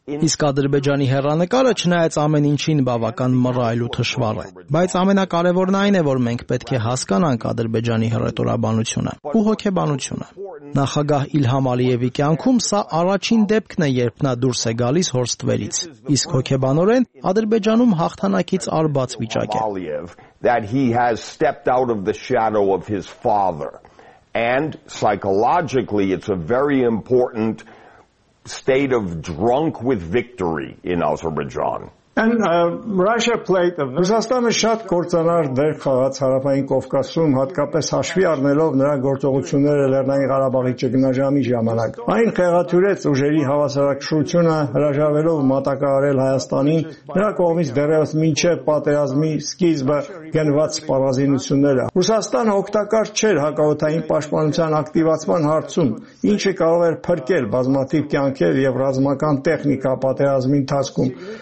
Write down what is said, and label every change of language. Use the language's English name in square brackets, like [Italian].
[Armenian] Իսկ Ադրբեջանի հերանեկարը չնայած ամեն ինչին բավական մռայլ ու թշվառ է, բայց ամենակարևորն այն է, որ մենք պետք է հասկանանք Ադրբեջանի հռետորաբանությունը ու հոգեբանությունը։ Նախագահ Իլհամ Ալիևի կյանքում սա առաջին դեպքն է, երբ նա դուրս է գալիս հորստվելից, իսկ հոգեբանորեն Ադրբեջանում հաղթանակից արբաց վիճակ է։ [English] That he has stepped out of the shadow of his father, and psychologically it's a very important state of drunk with victory in Azerbaijan. And Russia played a [Armenian] Ռուսաստանը շատ կործանար դեր խաղաց Հարավային Կովկասում, հատկապես հաշվի առնելով նրա գործողությունները Լեռնային Ղարաբաղի ճգնաժամի ժամանակ։ Այն խեղաթյուրեց ուժերի հավասարակշռությունը, հրաժարվելով մատակարարել Հայաստանին նրա կողմից դեռևս մինչև պատերազմի սկիզբը գնված սպառազինությունները։ Ռուսաստանը օգտակար չէր հակաօդային պաշտպանության ակտիվացման հարցում, ինչը կարող էր փրկել բազմաթիվ կյանքեր եւ ռազմական տեխնիկա պատերազմի ընթացքում,